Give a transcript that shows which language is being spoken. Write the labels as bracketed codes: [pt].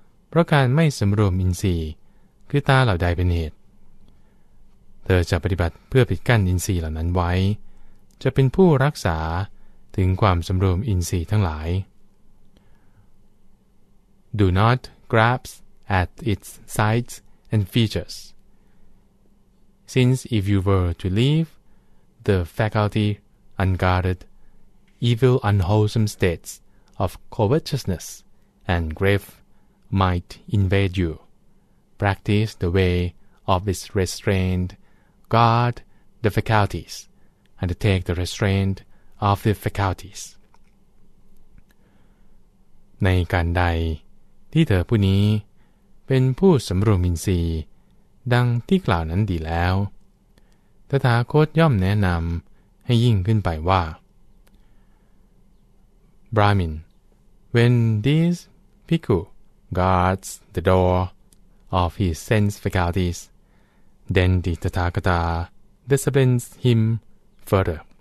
[th] พราะการไม่สำรวมอินทรีย์คือตาเหล่าใดเป็นเหตุเธอจะปฏิบัติเพื่อปิดกั้นอินทรีย์เหล่านั้นไว้จะเป็นผู้รักษาถึงความสำรวมอินทรีย์ทั้งหลาย [en] Do not grasp at its sights and features. Since if you were to leave the faculty unguarded, evil unwholesome states of covetousness and grief might invade you. Practice the way of its restraint, guard the faculties, and take the restraint of the faculties. [th] ในการใดที่เธอผู้นี้เป็นผู้สำรวมอินทรีย์ดังที่กล่าวนั้นดีแล้วตถาคตย่อมแนะนำให้ยิ่งขึ้นไปว่า [en] Brahmin, when this bhikkhu guards the door of his sense faculties, then the Tathagata disciplines him further.